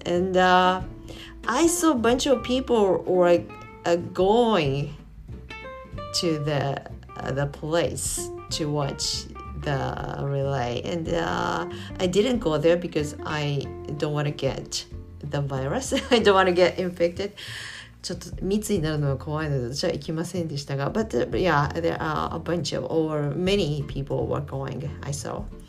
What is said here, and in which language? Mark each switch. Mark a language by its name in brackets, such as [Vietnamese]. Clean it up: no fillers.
[English] And, I saw a bunch of people were going to the place to watch the relay. And I didn't go there because I don't want to get the virus. I don't want to get infected. [Japanese] ちょっと密になるのは怖いので私は行きませんでしたが。 [English] But yeah, there are a bunch of, or many people were going, I saw.